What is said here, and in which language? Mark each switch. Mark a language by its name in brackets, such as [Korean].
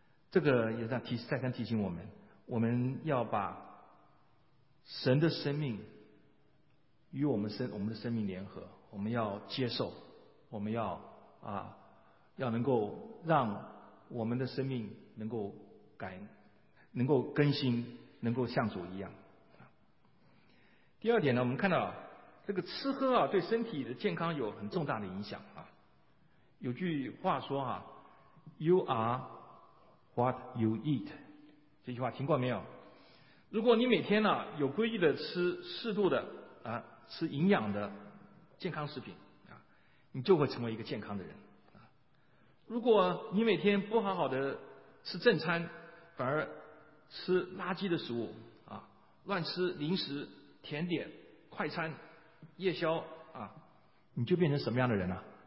[Chinese] 这个也在再三提醒我们，我们要把神的生命与我们的生命联合，我们要接受，我们要能够让我们的生命能够改，能够更新，能够像主一样。第二点呢，我们看到这个吃喝啊对身体的健康有很重大的影响啊。有句话说 [English] You are what you eat。 [Chinese] 这句话听过没有？如果你每天呢有规律的吃适度的吃营养的健康食品啊，你就会成为一个健康的人。如果你每天不好好的吃正餐，反而吃垃圾的食物啊，乱吃零食、甜点、快餐、夜宵啊，你就变成什么样的人啊？